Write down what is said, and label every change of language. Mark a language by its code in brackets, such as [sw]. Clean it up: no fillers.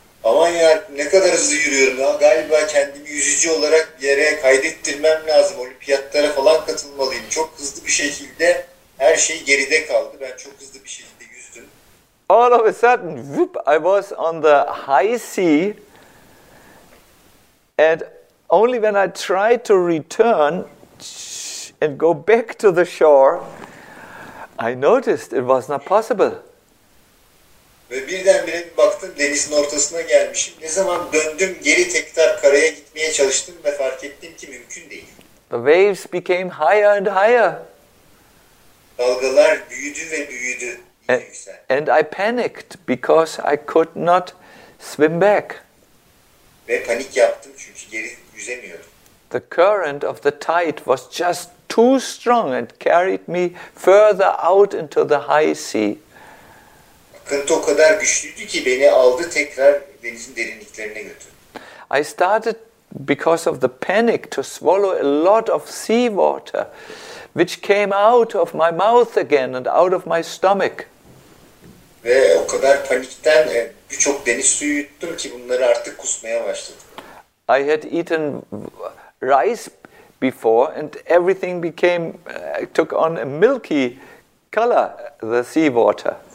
[tr] Aman ya ne kadar hızlı yürüyorum ya. Galiba kendimi yüzücü olarak bir yere kaydettirmem lazım. Olimpiyatlara falan katılmalıyım. Çok hızlı bir şekilde her şey geride kaldı. Ben çok hızlı bir şekilde yüzdüm. [en] All of a sudden, whoop, I was on the high sea, and only when I tried to return and go back to the shore, I noticed it was not possible. [tr] Ve birdenbire bir baktım denizin ortasına gelmişim. Ne zaman döndüm geri tekrar karaya gitmeye çalıştım ve fark ettim ki mümkün değil. [en] The waves became higher and higher. [tr] Dalgalar büyüdü ve büyüdü, yine yükseldi. [en] And I panicked because I could not swim back. [tr] Ve panik yaptım çünkü geri yüzemiyordum. [en] The current of the tide was just too strong and carried me further out into the high sea. [tr] Akıntı o kadar güçlüydü ki beni aldı tekrar denizin derinliklerine götürdü. [en] I started because of the panic to swallow a lot of sea water, which came out of my mouth again and out of my stomach. [tr] Ve o kadar panikten birçok deniz suyu yuttum ki bunları artık kusmaya başladım. [en] I had eaten rice before, and everything took on a milky color, the sea water.